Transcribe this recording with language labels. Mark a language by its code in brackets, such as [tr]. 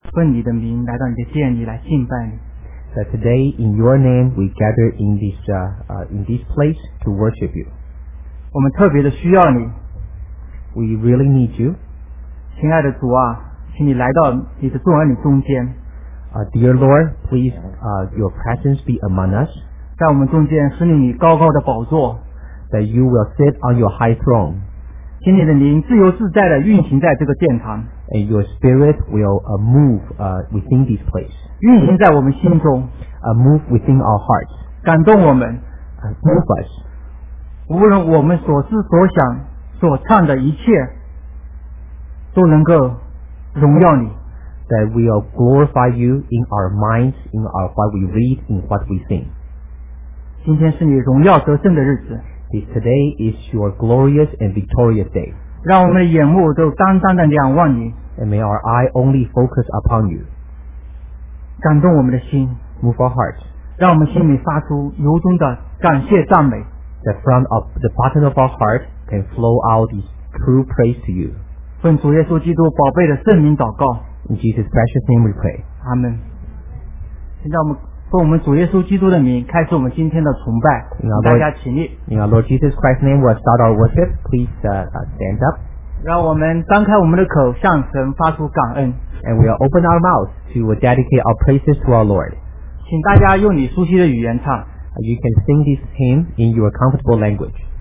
[zh] 奉你的名来到你的殿里来敬拜你。 [en] So today in your name we gather in this place to worship you. [zh] 我们特别的需要你。 [en] We really need you. [zh] 亲爱的主啊，请你来到你的众儿女中间。 [en] Dear Lord, please your presence be among us. [zh] 在我们中间使你以高高的宝座。 [en] That you will sit on your high throne. [zh] 请你的灵自由自在地运行在这个殿堂。 [en] And your spirit will move within this place. [zh] 运行在我们心中。 [en] Move within our hearts. [zh] 感动我们。 [en] Move us. [zh] 无论我们所思所想所唱的一切都能够荣耀你。 [en] That we will glorify you in our minds, in our what we read, in what we sing. [zh] 今天是你荣耀得胜的日子。 [en] Today is your glorious and victorious day. [zh] 让我们的眼目都单单的仰望你。 [en] And may our eye only focus upon you. [zh] 感动我们的心。 [en] Move our hearts. [zh] 让我们心里发出由衷的感谢赞美。 [en] The front of the bottom of our heart can flow out this true praise to you. [zh] 奉主耶稣基督宝贝的圣名祷告。 [en] In Jesus' precious name we pray. Amen. [zh] 现在我们奉我们主耶稣基督的名开始我们今天的崇拜。大家起立。 [en] In our Lord Jesus Christ's name, we'll start our worship. Please stand up. [zh] 让我们张开我们的口向神发出感恩。 [en] And we'll open our mouths to dedicate our praises to our Lord. [zh] 请大家用你熟悉的语言唱。 [en] You can sing this hymn in your comfortable language.